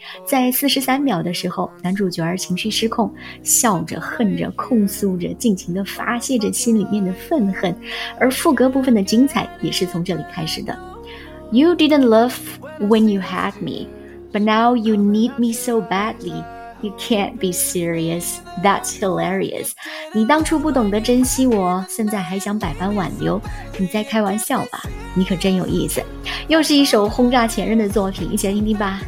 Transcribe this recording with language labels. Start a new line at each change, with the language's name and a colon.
Chinese: 在43秒的时候，男主角情绪失控，笑着、恨着、控诉着，尽情地发泄着心里面的愤恨，而副歌部分的精彩也是从这里开始的。
English: You didn't love when you had me, but now you need me so badly. You can't be serious. That's hilarious.
Chinese: 你当初不懂得珍惜我，现在还想百般挽留，你在开玩笑吧？你可真有意思。又是一首轰炸前任的作品，一起来听听吧。